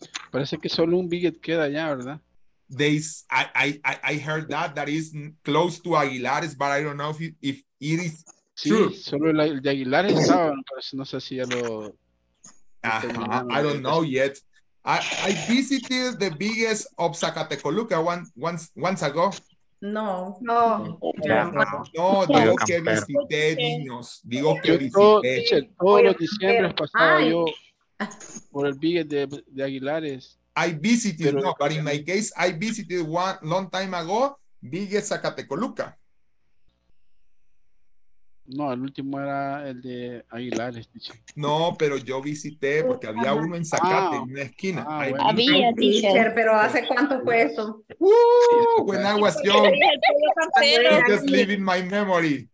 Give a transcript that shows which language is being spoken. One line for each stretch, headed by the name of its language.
Spanish: Parece que solo un Biggest queda ya, ¿verdad?
English: I heard that is close to Aguilares, but I don't know if it is true.
Spanish: Sí, solo el de Aguilares estaba, no sé si ya lo...
English: I don't know yet. I visited the biggest of Zacatecoluca once ago.
Spanish: No, digo que visité, niños. Digo que visité. Todos los diciembre pasaba yo por el biggest de Aguilares.
English: I visited, but in my case, I visited one long time ago, Biggest Zacatecoluca.
Spanish: No, el último era el de Aguilares. Dice. No, pero yo visité porque había uno en Zacate, en una esquina. Había, teacher, pero ¿hace cuánto fue eso?
English: When I was young, I'm just living my memory.